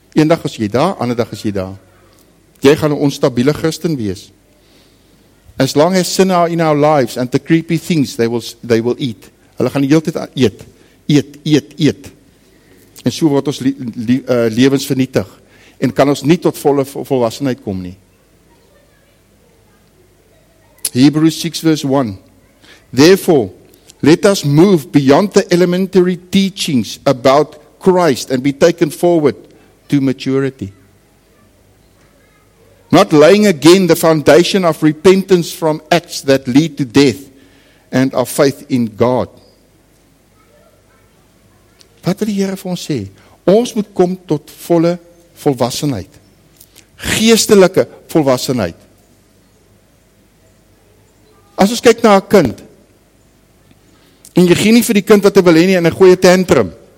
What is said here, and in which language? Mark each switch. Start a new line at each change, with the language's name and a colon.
Afrikaans: Eendag is jy daar, ander dag is jy daar. Jy gaan 'n onstabiele Christen wees.
English: As long as sin are in our lives and the creepy things they will eat.
Afrikaans: Hulle gaan die hele tyd eet. En so word ons lewens vernietig en kan ons nie tot volle volwassenheid kom nie.
English: Hebrews 6 verse 1. Therefore, let us move beyond the elementary teachings about Christ and be taken forward to maturity. Not laying again the foundation of repentance from acts that lead to death and of faith in God.
Afrikaans: Wat wil die Here vir ons sê? Ons moet kom tot volle volwassenheid. Geestelike volwassenheid. As ons kyk na 'n kind, en jy gee nie vir die kind wat hy wil hê nie in 'n goeie tantrum.